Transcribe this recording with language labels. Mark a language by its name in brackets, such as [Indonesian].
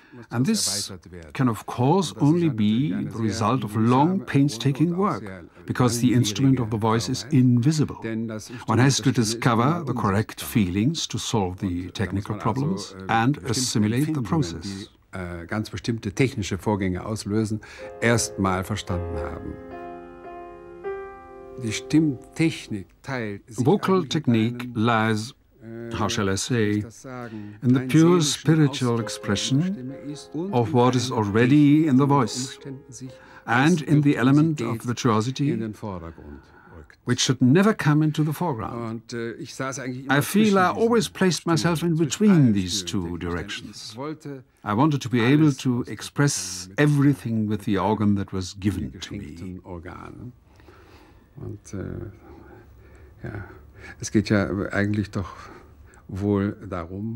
[English] And this can, of course, only be the result of long, painstaking work, because the instrument of the voice is invisible. One has to discover the correct feelings to solve the technical problems and assimilate the process. [German] Ganz bestimmte technische Vorgänge auslösen, erst mal verstanden haben. Die Stimmtechnik teilt sich [English] vocal technique einem, lies, how shall I say, in the pure spiritual expression of what is already in the voice and in the element of virtuosity, which should never come into the foreground. I feel I always placed myself in between these two directions. I wanted to be able to express everything with the organ that was given to me. [German] Und ja, es geht ja eigentlich doch wohl darum,